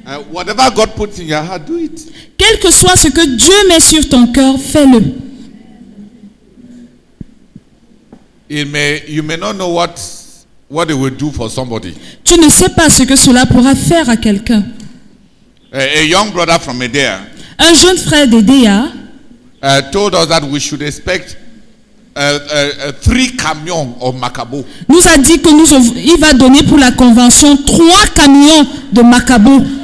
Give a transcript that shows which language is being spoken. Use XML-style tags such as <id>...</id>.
<en>Whatever God puts in your heart, do it.</en> <fr>Quel que soit ce que Dieu met sur ton cœur, fais-le.</fr> <en>You may not know what it will do for somebody.</en> <fr>Tu ne sais pas ce que cela pourra faire à quelqu'un.</fr> <en>A young brother from Edea.</en> <fr>Un jeune frère d'Edea.</fr> <en>Told us that we should expect three camions of Macabo.</en> <fr>Nous a dit que il va donner pour la convention 3 camions de Macabo.</fr>